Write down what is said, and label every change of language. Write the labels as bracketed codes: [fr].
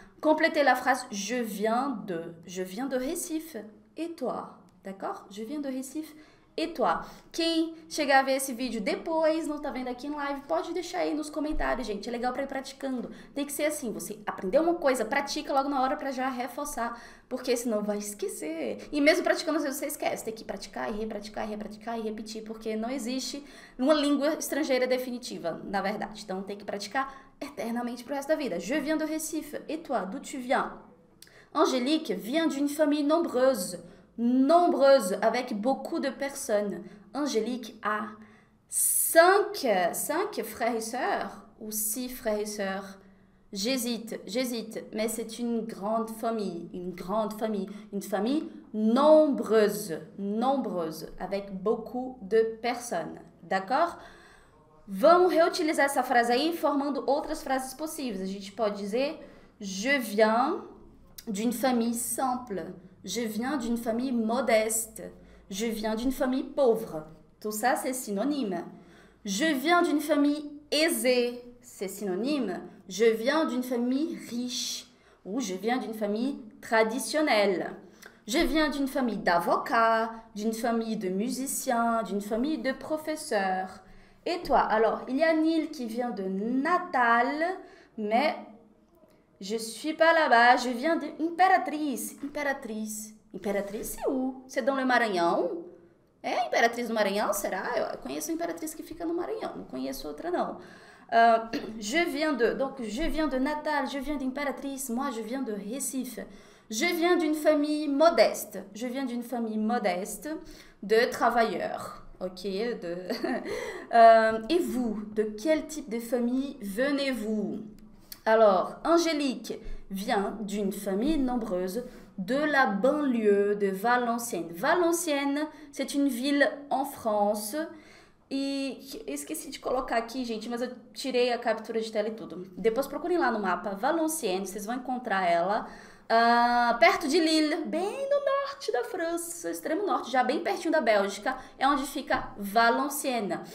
[fr] Complétez la phrase, je viens de Recife. Et toi? D'accord? Je viens de Recife. [pt] E toi, quem chegar a ver esse vídeo depois, não tá vendo aqui em live, pode deixar aí nos comentários, gente. É legal para ir praticando. Tem que ser assim, você aprendeu uma coisa, pratica logo na hora para já reforçar, porque senão vai esquecer. E mesmo praticando, às vezes você esquece. Tem que praticar e repraticar e repraticar e repetir, porque não existe uma língua estrangeira definitiva, na verdade. Então tem que praticar eternamente pro resto da vida. [fr] Je viens do Recife. E toi, d'où tu viens? Angélique vient d'une famille nombreuse. Nombreuses, avec beaucoup de personnes. Angélique a cinq frères et sœurs ou six frères et sœurs. J'hésite, mais c'est une grande famille, une famille nombreuse, avec beaucoup de personnes. D'accord? [pt] Vamos réutiliser essa frase aí, formando outras frases possíveis. A gente pode dizer: [fr] Je viens d'une famille simple. Je viens d'une famille modeste. Je viens d'une famille pauvre. Tout ça, c'est synonyme. Je viens d'une famille aisée. C'est synonyme. Je viens d'une famille riche. Ou je viens d'une famille traditionnelle. Je viens d'une famille d'avocats, d'une famille de musiciens, d'une famille de professeurs. Et toi? Alors, il y a Neil qui vient de Natal, mais. Je suis pas là-bas, je viens de Imperatriz. Imperatriz é où? C'est dans le Maranhão? [pt] É Imperatriz no Maranhão? Será? Eu conheço a Imperatriz que fica no Maranhão, não conheço outra não. [fr] Je viens de Natal, je viens d'Imperatriz, moi je viens de Recife. Je viens d'une famille modeste. Je viens d'une famille modeste de travailleurs. Ok? Et vous, de quel type de famille venez-vous? Alors, Angélique vient d'une famille nombreuse de la banlieue de Valenciennes. Valenciennes, c'est une ville en France. [pt] Esqueci de colocar aqui, gente, mas eu tirei a captura de tela e tudo. Depois procurem lá no mapa Valenciennes, vocês vão encontrar ela. Perto de Lille, bem no norte da França, extremo norte, já bem pertinho da Bélgica, é onde fica Valenciennes.